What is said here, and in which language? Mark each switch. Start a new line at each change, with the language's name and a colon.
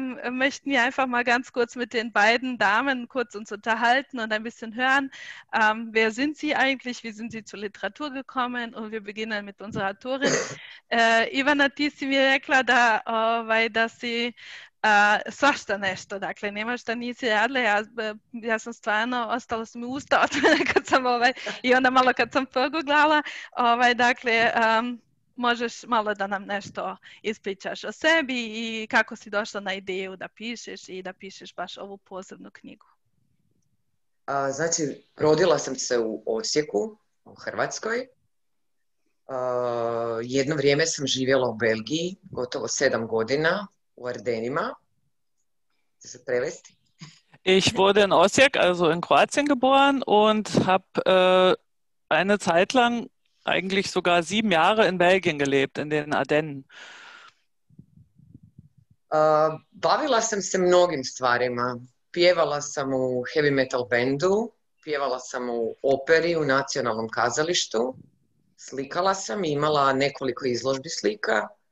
German: Möchten wir einfach mal ganz kurz mit den beiden Damen kurz uns unterhalten und ein bisschen hören, wer sind Sie eigentlich, wie sind Sie zur Literatur gekommen, und wir beginnen mit unserer Autorin.
Serbian: Ivana, ti si mi rekla da,
German: dass Sie
Serbian: svašta nešto, dakle, nema šta nisi radila, ja sam stvarno, ostalo su mi usta otvore kad sam i onda malo kad sam proguglala, dakle, možeš malo da nam nešto ispričaš o sebi i kako si došla na ideju da pišeš i da pišeš baš ovu posebnu knjigu.
Croatian: Znači, rodila sam se u Osijeku, u Hrvatskoj. Jedno vrijeme sam živjela u Belgiji, gotovo 7 godina, u Ardenima. Se prevesti?
German: Ich wurde in Osijek, also in Kroatien geboren und habe eine Zeit lang, eigentlich sogar 7 Jahre in Belgien gelebt, in den Ardennen.
Croatian: Bavila sam se mnogim stvarima. Pjevala sam u heavy metal bandu, pjevala sam u operi u nacionalnom kazalištu, slikala sam i imala nekoliko izložbi slika.